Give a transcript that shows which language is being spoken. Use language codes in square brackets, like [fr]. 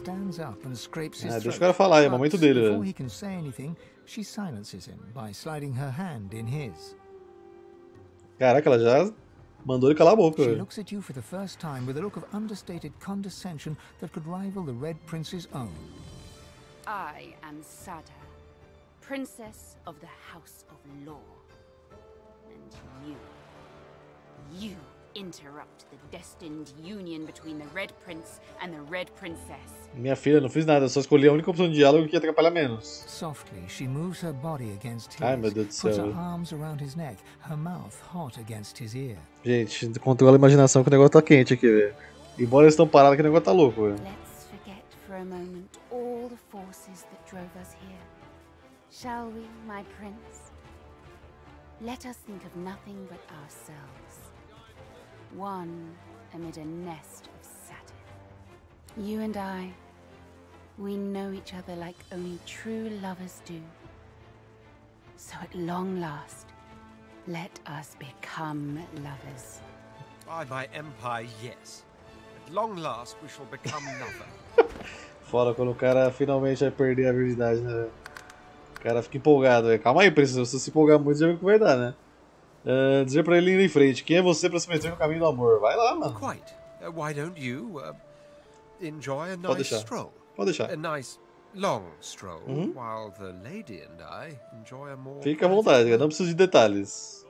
[pt] Deixa o cara falar, é o momento dele. Mas, antes de ele poder dizer algo, ela o silencia com a sua mão em sua. Caraca, ela já mandou ele calar a boca. Ela olha para você pela primeira vez com um olhar de understated condescensão que poderia rivalizar o [en] Red Prince's own. I am Sada, Princess of the House of Law. And you. You interrupt the destined union between the Red Prince and the Red Princess. [pt] Minha filha, não fiz nada, só escolhi a única opção de diálogo que ia atrapalhar menos. [en] Softly, she moves her body against his. [pt] Ai, meu Deus do céu. [en] Puts her arms around his neck, her mouth hot against his ear. [pt] Gente, controla a imaginação que o negócio tá quente aqui, velho. Embora eles estão parados, que o negócio tá louco, velho. [en] Let's forget for a moment all the forces that drove us here. Shall we, my prince? Let us think of nothing but ourselves. One amid a nest of Saturn. You and I, we know each other like only true lovers do. So at long last, let us become lovers. By my empire, yes. At long last, we shall become lovers. [pt] Fora quando o cara finalmente vai perder a virgindade, né? O cara fica empolgado, velho. Calma aí, princesa. Se você se empolgar muito, já vê que vai dar, né? Dizer para ele ir em frente. Quem é você para se meter no caminho do amor? Vai lá, mano. [en] Quite. Why don't you enjoy a nice stroll? [pt] Pode deixar. [en] A nice long stroll, while the lady and I enjoy a more. [pt] Fica à vontade, eu não preciso de detalhes.